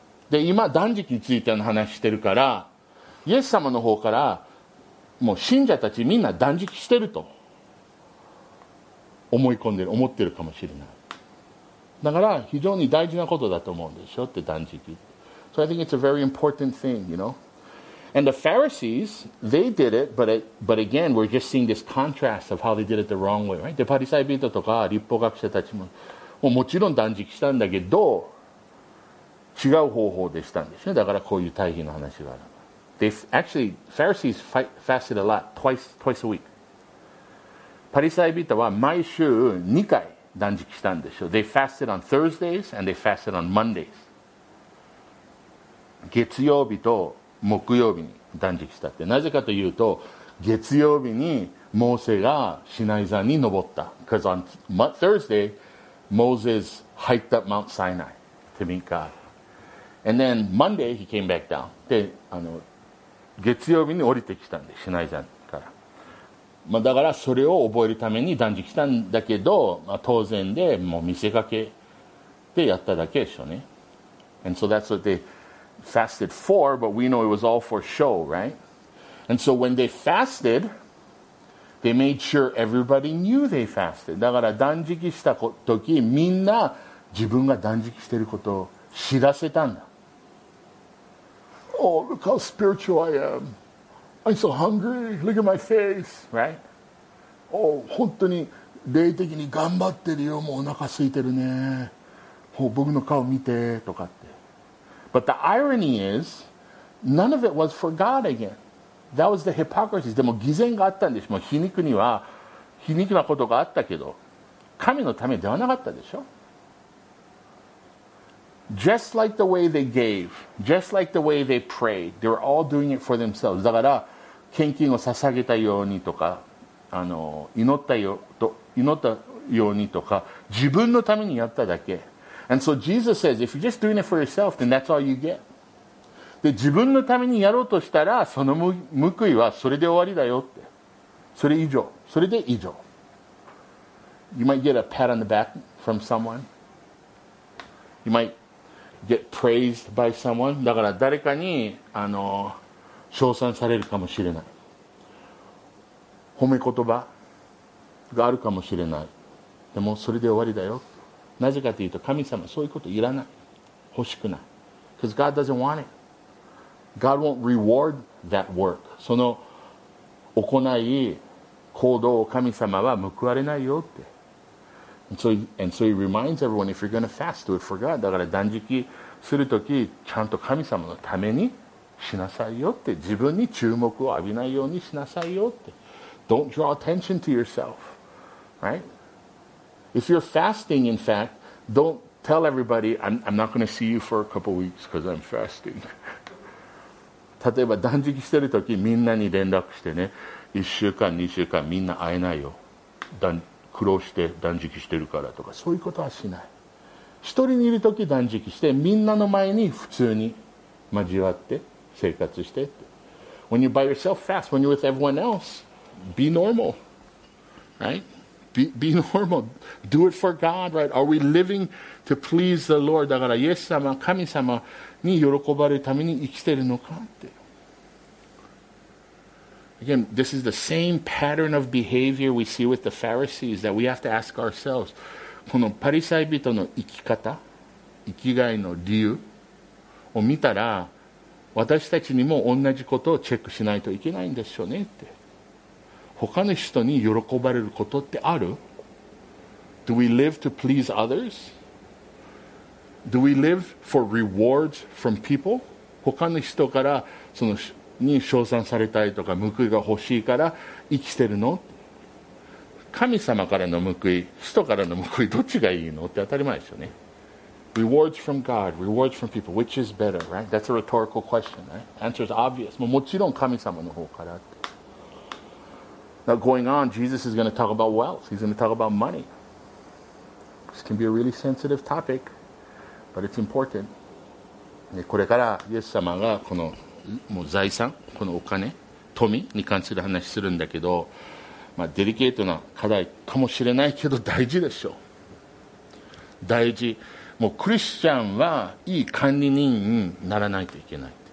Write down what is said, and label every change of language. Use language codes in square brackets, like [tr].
[ja] で、今、断食についての話してるから、イエス様の方から、もう信者たちみんな断食してると、思い込んでる、思ってるかもしれない。だから、非常に大事なことだと思うんでしょって、断食。 [en] So I think it's a very important thing, you know? And the Pharisees, they did it, but again, we're just seeing this contrast of how they did it the wrong way, right? [ja] で、パリサイ人とか、律法学者たちも、もちろん断食したんだけど、違う方法でしたんですね。だからこういう対比の話がある。 [en] Actually, Pharisees fasted a lot, twice a week. [ja] パリサイ人は毎週2回断食したんでしょう。 [en] They fasted on Thursdays and they fasted on Mondays. [ja] 月曜日と木曜日に断食したって。なぜかというと、月曜日にモーセがシナイ山に登った。 [en] Because on Thursday, Moses hiked up Mount Sinai to meet God. And then Monday he came back down. [ja] で、月曜日に降りてきたんで、シナイ山から。まあ、だからそれを覚えるために断食したんだけど、まあ、当然でもう見せかけでやっただけでしょうね。 [en] And so that's what they fasted for, but we know it was all for show, right? And so when they fasted, they made sure everybody knew they fasted. [ja] だから断食した時、みんな自分が断食してることを知らせたんだ。 [en] Oh, look how spiritual I am. I'm so hungry. Look at my face. Right? [ja] 本当に霊的に頑張ってるよ、もうお腹空いてるね、もう僕の顔見てとかって。 [en] But the irony is none of it was for God again. That was the hypocrisy. [ja] でも偽善があったんでしょ、もう皮肉には皮肉なことがあったけど神のためではなかったでしょ。 [en] Just like the way they gave, just like the way they prayed, they were all doing it for themselves. [ja] だから献金を捧げたようにとか、祈ったようにとか、自分のためにやっただけ。 [en] And so Jesus says, if you're just doing it for yourself, then that's all you get. [ja] で、自分のためにやろうとしたら、その報いはそれで終わりだよって。それ以上、それで以上。 [en] You might get a pat on the back from someone. You might. Get praised by someone. [ja] だから誰かに称賛されるかもしれない、褒め言葉があるかもしれない、でもそれで終わりだよ。なぜかというと神様そういうこといらない、欲しくない。 [en] Because God doesn't want it. God won't reward that work. [ja] その行い行動を神様は報われないよって。 [en] And so he reminds everyone, if you're going to fast, do it for God. [ja] だから断食するとき、ちゃんと神様のためにしなさいよって、自分に注目を浴びないようにしなさいよって。 [en] Don't draw attention to yourself, right? If you're fasting, in fact, don't tell everybody, I'm not going to see you for a couple weeks because I'm fasting. [ja] 例えば断食してるとき、みんなに連絡してね、1週間、2週間、みんな会えないよ。苦労して断食してるからとか、そういうことはしない。一人にいるとき断食して、みんなの前に普通に交わって生活してって。 [en] When you're by yourself, fast. When you're with everyone else, be normal, right? Be normal. Do it for God, right? Are we living to please the Lord? [ja] だからイエス様、神様に喜ばれるために生きてるのかって。 [en] Again, this is the same pattern of behavior we see with the Pharisees that we have to ask ourselves. [ja] このパリサイ人の生き方、生きがいの理由を見たら、私たちにも同じことをチェックしないといけないんでしょうねって。他の人に喜ばれることってある？ [en] Do we live to please others? Do we live for rewards from people? [ja] 他の人からそのに称賛されたいとか報いが欲しいから生きてるの？神様からの報い、人からの報い、どっちがいいのって当たり前ですよね。 [en] Rewards from God, rewards from people, which is better, right? That's a rhetorical question, right? Answer is obvious. [ja] もちろん神様の方からって。 [en] Now going on, Jesus is going to talk about wealth. He's going to talk about money. This can be a really sensitive topic, but it's important. [ja] これからイエス様がこのもう財産、このお金、富に関する話するんだけど、まあ、デリケートな課題かもしれないけど大事でしょう。大事。もうクリスチャンはいい管理人にならないといけない。